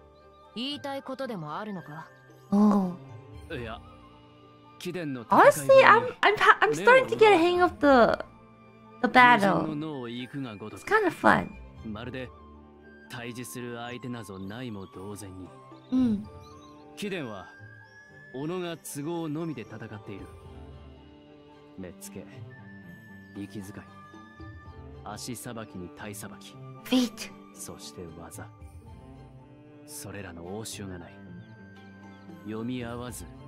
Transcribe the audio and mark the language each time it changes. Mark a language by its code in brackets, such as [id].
[ja] この力必ず生かそう。うん。造作もないな。なんだその沈黙は。言いたいことでもあるのか。おお。いや。 [en] Honestly, I'm starting to get a hang of the battle. It's kind of fun. [ja] まるで対峙する相手なぞないも同然に。うん。キデンは己が都合のみで戦っている。目つけ、息遣い、足さばきに体さばき。フィート。そして技。それらの応酬がない。読み合わず。